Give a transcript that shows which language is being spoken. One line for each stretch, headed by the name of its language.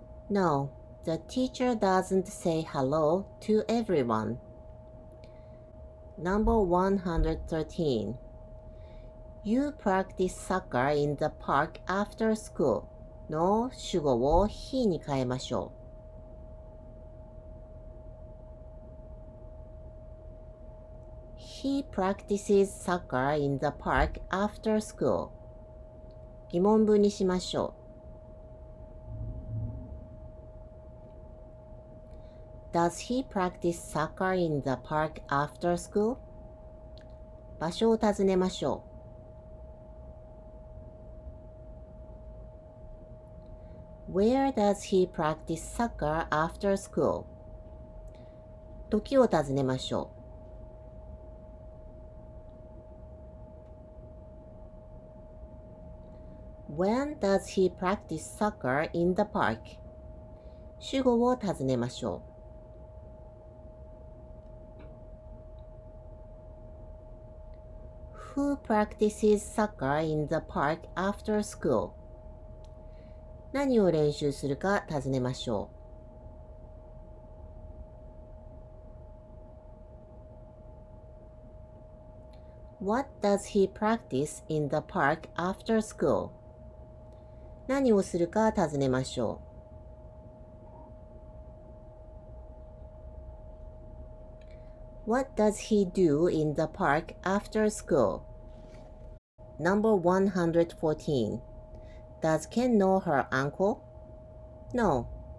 English: No, the teacher doesn't say hello to everyone. Number 113. You practice soccer in the park after school.
Japanese: の主語を he に変えましょう。
English: He practices soccer in the park after school.
Japanese: 疑問文にしましょう。
English: Does he practice soccer in the park after school?
Japanese: 場所を尋ねましょう。
English: Where does he practice soccer after school?
Japanese: 時を尋ねましょう。
English: When does he practice soccer in the park?
Japanese: 主語を尋ねましょう。
English: Who practices soccer in the park after school?
Japanese: 何を練習するか尋ねましょう。
English: What does he practice in the park after school?
Japanese: 何をするか尋ねましょう。
English: What does he do in the park after school? Number 114. Does Ken know her uncle? No.